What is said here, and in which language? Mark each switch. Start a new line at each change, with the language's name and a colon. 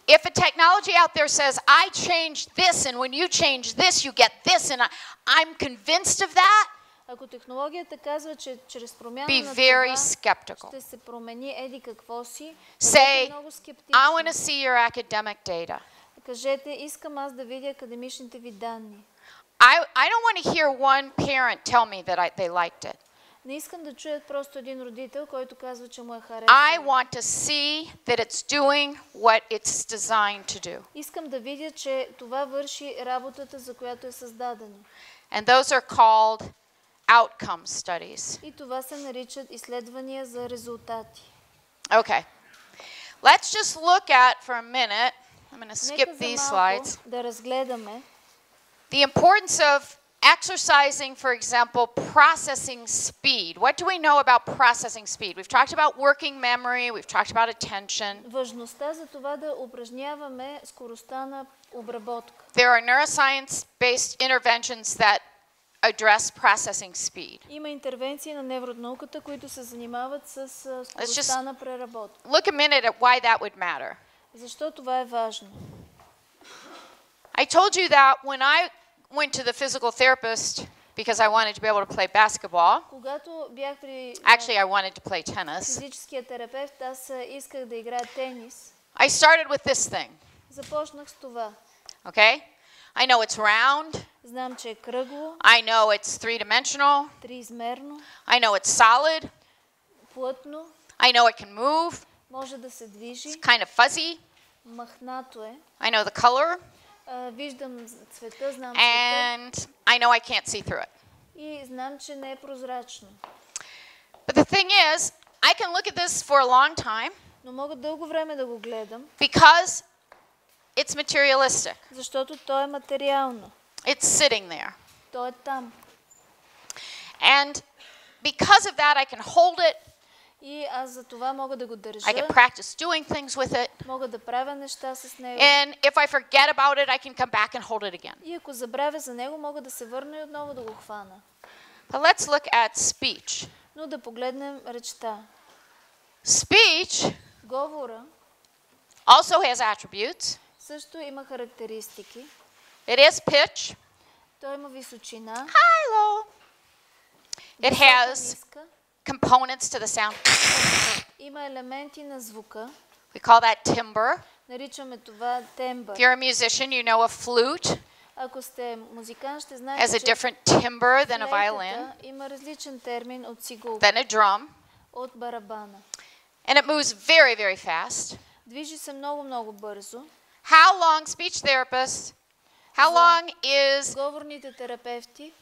English: If a technology out there says, I change this, and when you change this, you get this, and I'm convinced of that,
Bulgarian: ако технологията казва, че чрез промяна
English: be very skeptical.
Bulgarian: Ще се промени еди какво си,
English: say,
Bulgarian: много скептично.
English: I want to see your academic data.
Bulgarian: Кажете, искам аз да видя академичните ви данни.
English: I don't want to hear one parent tell me that they liked it.
Bulgarian: Не искам да чуя просто един родител, който казва, че му е харесало.
English: I want to see that it's doing what it's designed to do.
Bulgarian: Искам да видя, че това върши работата, за която е създадено.
English: And those are called outcome studies.
Bulgarian: И това се наричат изследвания за резултати.
English: Okay. Let's just look at for a minute. I'm going to skip these slides.
Bulgarian: Да разгледаме.
English: The importance of exercising, for example, processing speed. What do we know about processing speed? We've talked about working memory, we've talked about attention.
Bulgarian: Важността за това да упражняваме скоростта на обработка.
English: There are neuroscience-based interventions that address processing speed.
Bulgarian: Има интервенции на невронауката, които се занимават с скоростта на преработка.
English: Look a minute at why that would matter.
Bulgarian: Защо това е важно?
English: I told you that when I went to the physical therapist because I wanted to be able to play basketball.
Bulgarian: Когато бях при
English: Actually, I wanted to play tennis.
Bulgarian: Физическия терапевт, аз исках да играя тенис.
English: I started with this thing.
Bulgarian: Започнах с това.
English: Okay? I know it's round.
Bulgarian: Знам, че е кръгло.
English: I know it's three-dimensional.
Bulgarian: Триизмерно.
English: I know it's solid.
Bulgarian: Плътно.
English: I know it can move.
Bulgarian: Може да се движи.
English: It's kind of fuzzy.
Bulgarian: Махнато е.
English: I know the color.
Bulgarian: Виждам цвета, знам цвета.
English: And I know I can't see through it.
Bulgarian: И знам, че не е прозрачно.
English: But the thing is, I can look at this for a long time.
Bulgarian: Но мога дълго време да го гледам.
English: Because it's materialistic.
Bulgarian: Защото то е материално.
English: It's sitting there.
Bulgarian: То е там.
English: And because of that I can hold it.
Bulgarian: И аз за това мога да го държа.
English: I can practice doing things with it.
Bulgarian: Мога да правя неща с него.
English: And if I forget about it, I can come back and hold it again.
Bulgarian: И ако забравя за него, мога да се върна и отново да го хвана.
English: But let's look at speech.
Bulgarian: Но да погледнем речта.
English: Speech.
Bulgarian: Говора.
English: Also has attributes.
Bulgarian: Също има характеристики.
English: It is pitch.
Bulgarian: Той има височина.
English: Hi, low. It has components to the sound.
Bulgarian: Има елементи на звука.
English: We call that timbre.
Bulgarian: Наричаме това тембър.
English: If you're a musician, you know a flute.
Bulgarian: Ако сте музикант, ще знаете,
English: has a different timbre than a violin.
Bulgarian: Има различен термин от цигулка.
English: Than a drum.
Bulgarian: От барабана.
English: And it moves very, very fast.
Bulgarian: Движи се много, много бързо.
English: How long speech therapists? How long is
Bulgarian: говорните терапевти?